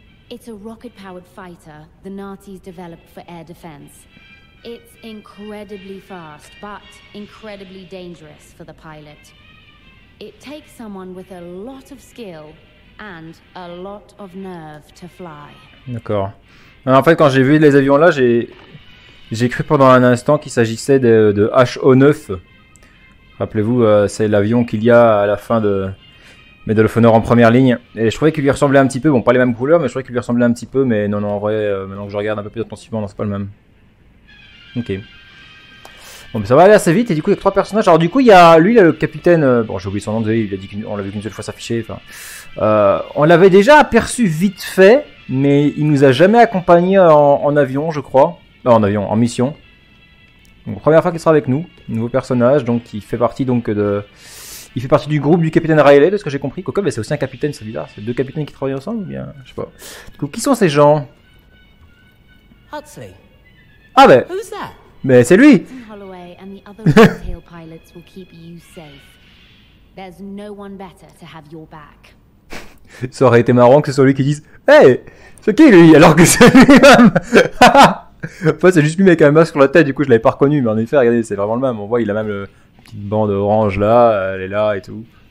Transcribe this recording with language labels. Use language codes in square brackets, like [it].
[en] It's a rocket-powered fighter the Nazis developed for air defense. It's incredibly fast, but incredibly dangerous for the pilot. It takes someone with a lot of skill and a lot of nerve to fly. [fr] D'accord. Alors en fait, quand j'ai vu les avions là, j'ai cru pendant un instant qu'il s'agissait de HO9. Rappelez-vous, c'est l'avion qu'il y a à la fin de Medal of Honor en première ligne. Et je trouvais qu'il lui ressemblait un petit peu. Bon, pas les mêmes couleurs, mais je trouvais qu'il lui ressemblait un petit peu. Mais non, non, en vrai, maintenant que je regarde un peu plus attentivement, non, c'est pas le même. Ok. Bon, mais ça va aller assez vite. Et du coup, il y a trois personnages. Alors du coup, il y a lui, il y a le capitaine. Bon, j'ai oublié son nom. Désolé, il a dit qu'on l'avait qu'une seule fois s'afficher. Enfin, on l'avait déjà aperçu vite fait, mais il nous a jamais accompagné en avion, je crois. Non, en avion, en mission. Donc, première fois qu'il sera avec nous, nouveau personnage, donc il fait partie donc de, il fait partie du groupe du capitaine Riley, de ce que j'ai compris. Coco, mais c'est aussi un capitaine, c'est bizarre. C'est deux capitaines qui travaillent ensemble ou bien, je sais pas. Du coup, qui sont ces gens? Huxley. Ah ben. [en] Who's that? [fr] Mais c'est lui. [en] Holloway and the other tail pilots will keep you safe. There's no one better to have your back. [fr] Ça aurait été marrant que ce soit lui qui dise, hey, c'est qui lui? Alors que c'est lui-même. Enfin, c'est juste lui avec un masque sur la tête, du coup je l'avais pas reconnu, mais en effet, regardez, c'est vraiment le même. On voit, il a même la petite bande orange là, elle est là et tout.